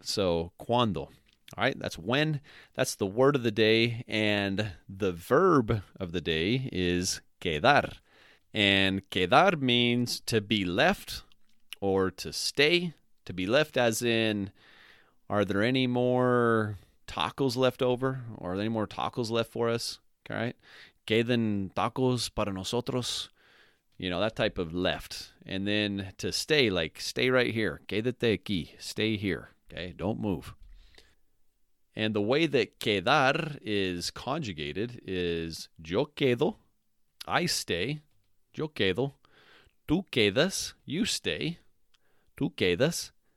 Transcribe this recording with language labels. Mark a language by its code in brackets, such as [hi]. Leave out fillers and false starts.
[en] So cuando, all right, that's when. That's the word of the day, and the verb of the day is quedar. And quedar means to be left or to stay. To be left as in, are there any more tacos left over? Or are there any more tacos left for us? All right. [es] Quedan tacos para nosotros. [en] You know, that type of left. And then to stay, like stay right here. [es] Quédate aquí. [en] Stay here. Okay. Don't move. And the way that quedar is conjugated is [es] yo quedo. [en] I stay. [es] Yo quedo. Tú quedas. [en] You stay. [es] Tú quedas.